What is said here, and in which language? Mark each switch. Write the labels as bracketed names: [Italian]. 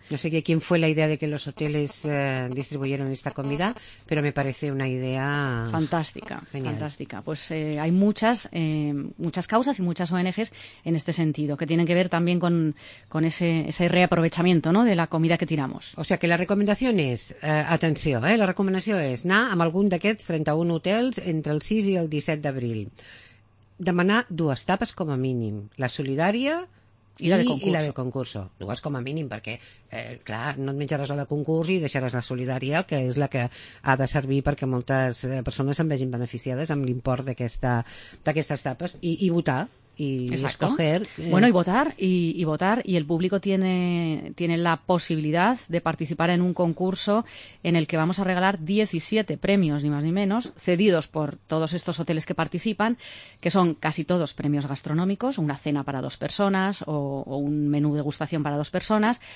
[Spanish] No sé quién fue la idea de que los hoteles distribuyeron esta comida, pero me parece una idea fantástica. Genial. Fantástica. Pues hay muchas causas y muchas ONGs en este sentido, que tienen que ver también con ese reaprovechamiento, ¿no?, de la comida que tiramos. O sea que la recomendación es, atención, [Catalan] la recomanació és anar amb algun d'aquests 31 hotels entre el 6 i el 17 d'abril. Demanar dues tapes com a mínim. La solidària i [Spanish] la de concurso. [Catalan] Dues com a mínim, perquè, clar, no et menjaràs la de concurs i deixaràs la solidària, que és la que ha de servir perquè moltes persones se'n vegin beneficiades amb l'import d'aquestes tapes. I votar. [Spanish] Escoger. Bueno, y votar y el público tiene la posibilidad de participar en un concurso en el que vamos a regalar 17 premios, ni más ni menos, cedidos por todos estos hoteles que participan, que son casi todos premios gastronómicos, una cena para dos personas o un menú degustación para dos personas.